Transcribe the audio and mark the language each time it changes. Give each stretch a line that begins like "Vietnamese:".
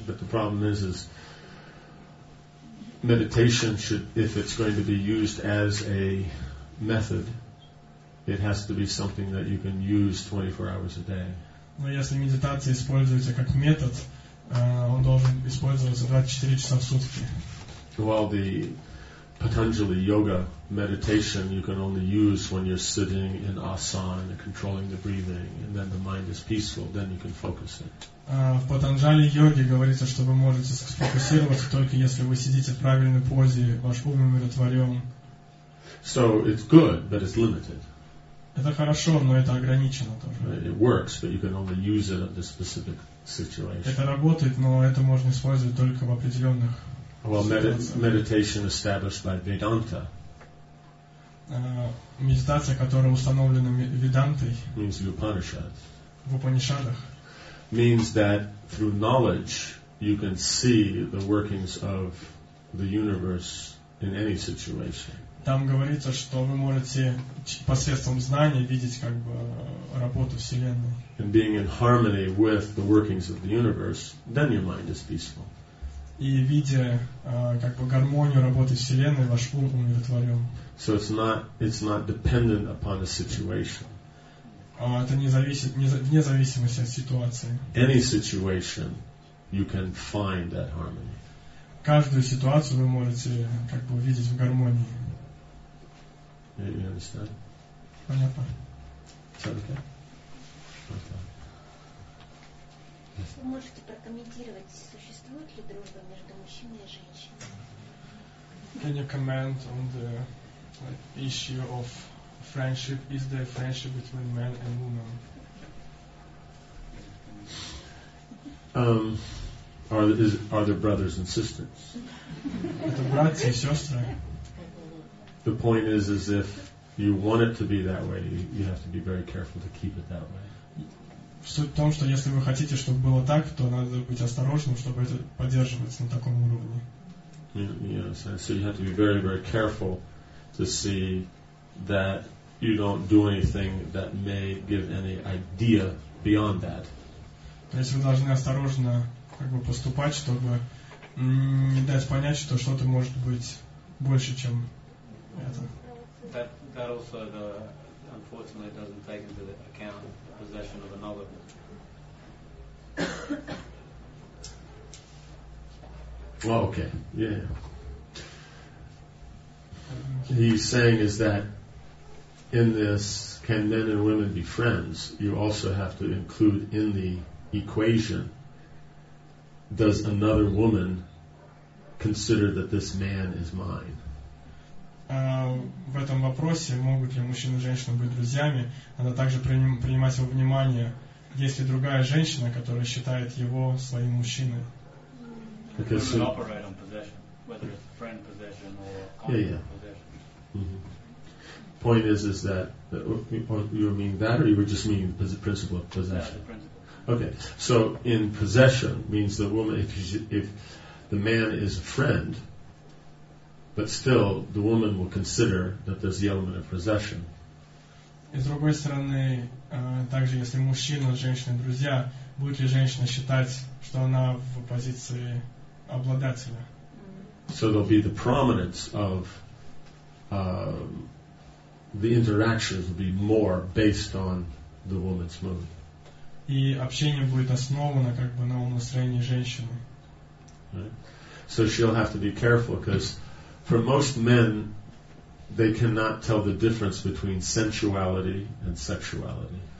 English: But the problem is meditation should, if it's going to be used as a method, it has to be something that you can use 24 hours a day.
Russian: Но если медитация используется как метод, он должен использоваться 24 часа в сутки.
English: While the Patanjali yoga meditation you can only use when you're sitting in asana, controlling the breathing, and then the mind is peaceful, then you can focus it.
Russian: В Патанджали йоге говорится, что вы можете сфокусироваться только если вы сидите в правильной позе, ваш ум умиротворен.
English: So it's good, but it's limited.
Russian: Это хорошо, но это ограничено тоже.
English: It works, but you can only use it in a specific situation.
Russian: Это работает, но это можно использовать только в определенных ситуациях.
English: Well, meditation established by Vedanta.
Russian: Медитация, которая установлена Ведантой.
English: Means the Upanishad.
Russian: В Упанишадах.
English: Means that through knowledge you can see the workings of the universe in any situation.
Russian: Там говорится, что вы можете посредством знания видеть как бы работу Вселенной.
English: And being in harmony with the workings of the universe, then your mind is peaceful.
Russian: И видя как бы гармонию работы Вселенной, ваш ум умиротворен.
English: So it's not dependent upon the situation.
Russian: Это не зависит вне зависимости от ситуации.
English: Any situation, you can find that harmony.
Russian: Каждую ситуацию вы можете как бы увидеть в гармонии.
English: You understand?
Russian: Понятно.
English: Is that okay? Yes.
Russian: Вы можете прокомментировать, существует ли дружба между мужчиной и женщиной?
English: Can you comment on the issue of friendship? Is there friendship between men and women? Are there brothers and sisters?
Russian: Это братья и сестры.
English: The point is if you want it to be that way, you have to be very careful to keep it that way.
Russian: Суть в том, что если вы хотите, чтобы было так, то надо быть осторожным, чтобы это поддерживаться на таком уровне.
English: So you have to be very, very careful to see that you don't do anything that may give any idea beyond that.
Russian: То есть вы должны осторожно как бы поступать, чтобы не дать понять, что что-то может быть больше, чем...
English: That also, unfortunately, doesn't take into account the possession of another. Well, okay, yeah. He's saying is that in this, can men and women be friends? You also have to include in the equation, does another woman consider that this man is mine?
Russian: В этом вопросе, могут ли мужчина и женщина быть друзьями, надо также принимать во внимание, есть ли другая женщина, которая считает его своим мужчиной.
English: Because women operate on possession, whether it's friend possession or common possession. Mm-hmm. Point is that, you mean that, or you were just meaning the principle of possession? Yeah, the principle. Okay, so in possession means the woman, if the man is a friend, but still, the woman will consider that there's the element of possession.
Russian: И с другой стороны, также если мужчина с женщиной друзья, будет ли женщина считать, что она в позиции обладателя?
English: So there'll be the prominence of the interactions will be more based on the woman's mood.
Russian: И общение будет основано как бы на умонастроении женщины.
English: Right. So she'll have to be careful because for most men, they cannot tell the difference between sensuality and sexuality.